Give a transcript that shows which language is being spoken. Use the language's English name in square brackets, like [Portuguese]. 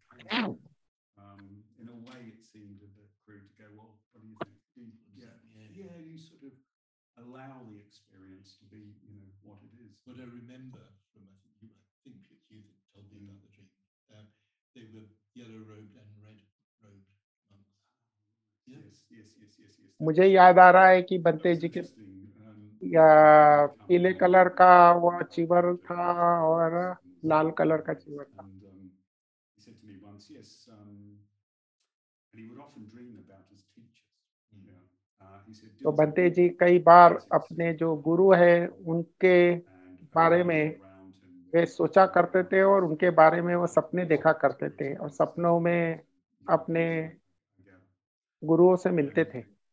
[English] In a way, it seemed a bit crude to go, well, what do you think? Yeah, you sort of allow the experience to be, you know, what it is. What I remember from, I think it's you that told me about the dream, they were yellow-robed and red-robed monks. Yes. [Hindi] मुझे याद आ रहा है कि बंते जी के पीले colour का वो चीवर था और लाल कलर का चीवर था. [English] He said to me once, and he would often dream about his teachers. [Hindi] तो बंते जी कई बार अपने जो गुरु है उनके बारे में वे सोचा करते थे और उनके बारे में वो सपने देखा करते थे और सपनों में अपने गुरुओं से मिलते थे.